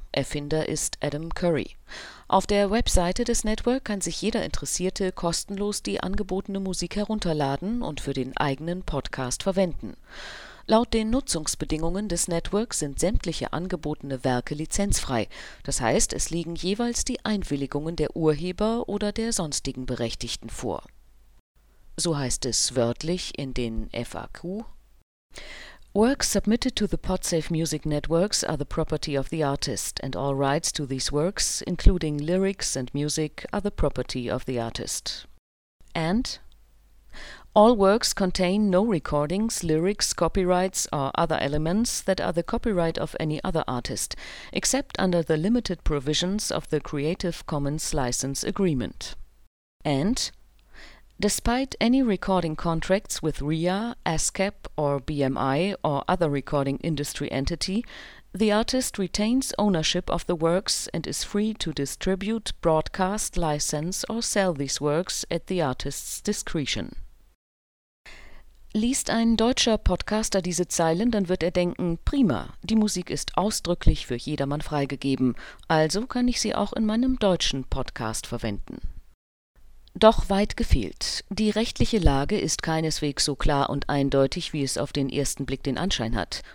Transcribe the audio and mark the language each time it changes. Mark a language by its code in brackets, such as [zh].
[de] Erfinder ist Adam Curry. Auf der Webseite des Network kann sich jeder Interessierte kostenlos die angebotene Musik herunterladen und für den eigenen Podcast verwenden. Laut den Nutzungsbedingungen des Networks sind sämtliche angebotene Werke lizenzfrei. Das heißt, es liegen jeweils die Einwilligungen der Urheber oder der sonstigen Berechtigten vor. So heißt es wörtlich in den FAQ: [en] Works submitted to the Podsafe Music Networks are the property of the artist, and all rights to these works, including lyrics and music, are the property of the artist. And all works contain no recordings, lyrics, copyrights, or other elements that are the copyright of any other artist, except under the limited provisions of the Creative Commons License Agreement. And despite any recording contracts with RIA, ASCAP, or BMI, or other recording industry entity, the artist retains ownership of the works and is free to distribute, broadcast, license, or sell these works at the artist's discretion. [de] Liest ein deutscher Podcaster diese Zeilen, dann wird er denken: Prima, die Musik ist ausdrücklich für jedermann freigegeben, also kann ich sie auch in meinem deutschen Podcast verwenden. Doch weit gefehlt. Die rechtliche Lage ist keineswegs so klar und eindeutig, wie es auf den ersten Blick den Anschein hat.